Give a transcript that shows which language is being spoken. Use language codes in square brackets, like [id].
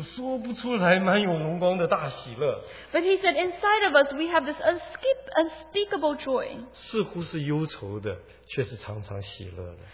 [zh] 在我们里面呢，就有说不出来、蛮有荣光的大喜乐。 [en] But he said inside of us we have this unspeakable joy. [zh] 似乎是忧愁的，却是常常喜乐的。